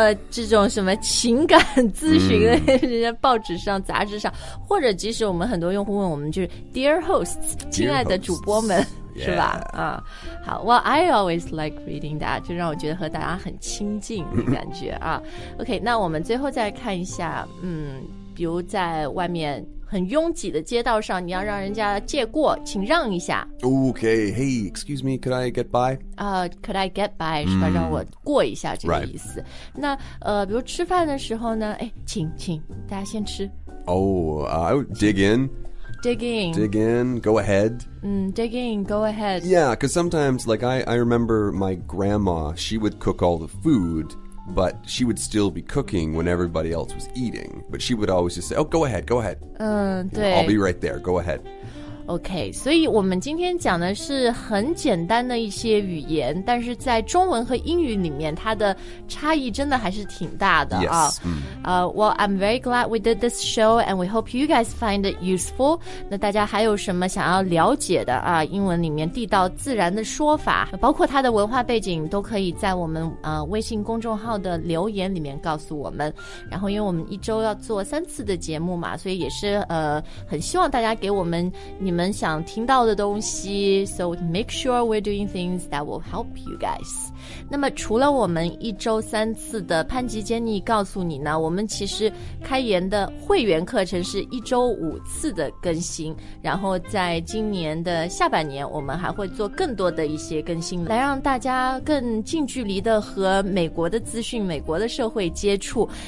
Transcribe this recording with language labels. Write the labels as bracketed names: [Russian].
[Chinese] 这种什么情感咨询的人家报纸上、杂志上或者即使我们很多用户问我们就是 [English] dear hosts, [Chinese] 亲爱的主播们 [English] hosts, [Chinese] 是吧、 [English] yeah. [Chinese] 好 [English] well, I always like reading that, [Chinese] 就让我觉得和大家很亲近的感觉啊。OK, 那我们最后再看一下比如在外面很拥挤的街道上，你要让人家借过，请让一下。 [English] Okay, hey, excuse me, could I get by? Could I get by, [Chinese] 是吧，让我过一下这个意思。 [English] Right. [Chinese] 那比如吃饭的时候呢，哎，请大家先吃。 [English] I would dig in. Dig in, go ahead. Dig in, go ahead. Yeah, because sometimes, like, I remember my grandma, she would cook all the food, but she would still be cooking when everybody else was eating. But she would always just say, oh, go ahead. [Chinese] 对。 [English] I'll be right there, go ahead. [Chinese] Okay, 所以我们今天讲的是很简单的一些语言，但是在中文和英语里面，它的差异真的还是挺大的。 [English] Yes. Well, I'm very glad we did this show, and we hope you guys find it useful. [Chinese] 那大家还有什么想要了解的啊？英文里面地道自然的说法，包括它的文化背景，都可以在我们微信公众号的留言里面告诉我们。然后，因为我们一周要做三次的节目嘛，所以也是很希望大家给我们你们想听到的东西。 [English] So make sure we're doing things that will help you guys. [Chinese] 那么，除了我们一周三次的潘吉坚尼告诉你呢？我们其实开言的会员课程是一周五次的更新，然后在今年的下半年我们还会做更多的一些更新，来让大家更近距离的和美国的资讯、美国的社会接触。